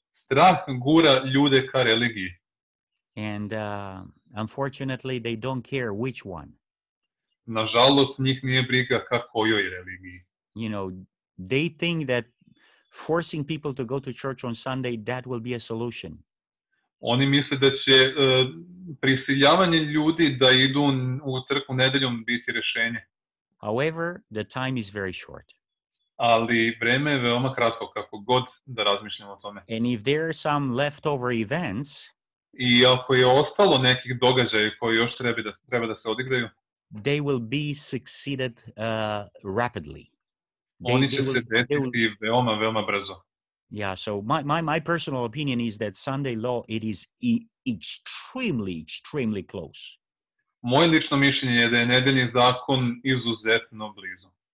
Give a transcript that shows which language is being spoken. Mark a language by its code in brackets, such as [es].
[sr] Strah gura ljude ka religiji. [en] And unfortunately they don't care which one. [sr] Nažalost, njih nije briga ka kojoj religiji. [en] You know, they think that forcing people to go to church on Sunday, that will be a solution. [sr] Oni misle da će prisiljavanje ljudi da idu u crkvu nedeljom biti rešenje. [en] However, the time is very short. [sr] Ali vreme je veoma kratko, kako god da razmišljamo o tome. [en] And if there are some leftover events, [sr] i ako je ostalo nekih događaja koji još treba da se odigraju, [en] they will be succeeded rapidly. [sr] Oni će se desiti veoma, veoma brzo. [en] Yeah, so my personal opinion is that Sunday law, it is extremely, extremely close. [sr] Moje lično mišljenje je da je nedeljni zakon izuzetno blizu.